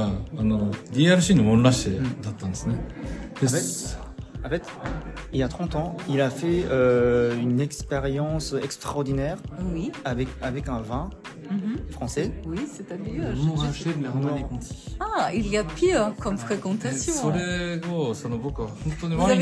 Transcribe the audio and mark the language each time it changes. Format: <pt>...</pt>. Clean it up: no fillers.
<ja>いわゆるその熟成の話っていうのをされたと思うんですけれども、例えば、いわゆる低温での瓶熟成、もしくはその低温での前0度か-5度とか、いわゆるそのカーブでの熟成っていうのを多分初めてやられたんだと思うんですけど、どういうふうにしてそういう考えに至ったんですか？はい、僕はその30年前に強烈のワインに出会って、その出会いがDRCのモンラッシェだったんですね。</ja> <fr>Il y a 30 ans, il a fait une expérience extraordinaire, oui, avec un vin, mm-hmm, français. Oui, c'est à dire. Montrachet de la Romanée Conti. Ah, il y a pire comme fréquentation.</fr> <ja>それを、その僕は本当にワイン。</ja>